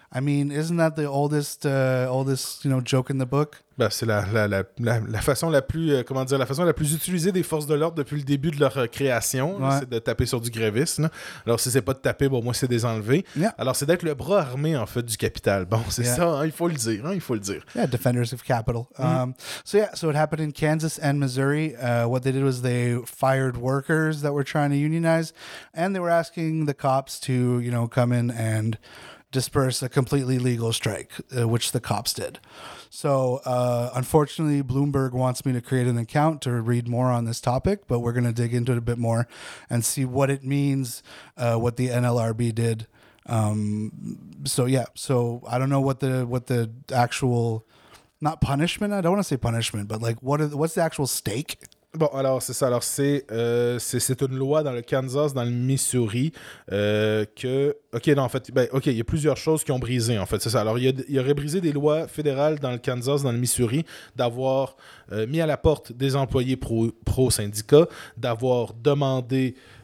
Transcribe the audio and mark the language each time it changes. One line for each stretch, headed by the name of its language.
English: I mean, isn't that the oldest joke in the book?
French: Ben, c'est la façon la plus utilisée des forces de l'ordre depuis le début de leur création, ouais. C'est de taper sur du gréviste. Là. Alors, si c'est pas de taper, bon, moi, c'est des enlevés.
English: Yeah.
French: Alors, c'est d'être le bras armé, en fait, du capital. Bon, c'est ça, hein, il faut le dire, hein, il faut le dire.
English: Yeah, defenders of capital. So it happened in Kansas and Missouri. What they did was they fired workers that were trying to unionize, and they were asking the cops to, you know, come in and... disperse a completely legal strike, which the cops did. So, unfortunately, Bloomberg wants me to create an account to read more on this topic, but we're going to dig into it a bit more and see what it means, what the NLRB did. So I don't know what the actual, not punishment, I don't want to say punishment, but like what's the actual stake?
French: Bon, alors c'est ça. Alors c'est une loi dans le Kansas, dans le Missouri, que... OK, non, en fait, ben, OK, il y a plusieurs choses qui ont brisé, en fait, c'est ça. Alors il aurait brisé des lois fédérales dans le Kansas, dans le Missouri, d'avoir mis à la porte des employés pro-syndicats, d'avoir demandé...